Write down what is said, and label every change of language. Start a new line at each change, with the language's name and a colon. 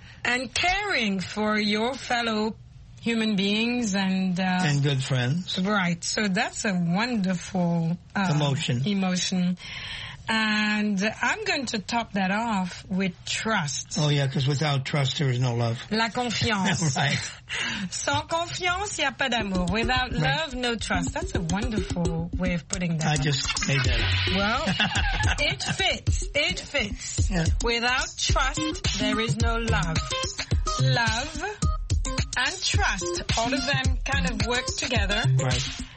English: And caring for your fellow human beings and... And good friends. Right. So that's a wonderful... Emotion. Emotion. And I'm going to top that off with trust. Oh, yeah, because without trust, there is no love.
French: La confiance.
English: right.
French: Sans confiance, y a pas d'amour.
English: Without love, no trust. That's a wonderful way of putting that. I just made that up. Well, it fits. It fits. Yeah. Without trust, there is no love. Love and trust, all of them kind of work together. Right.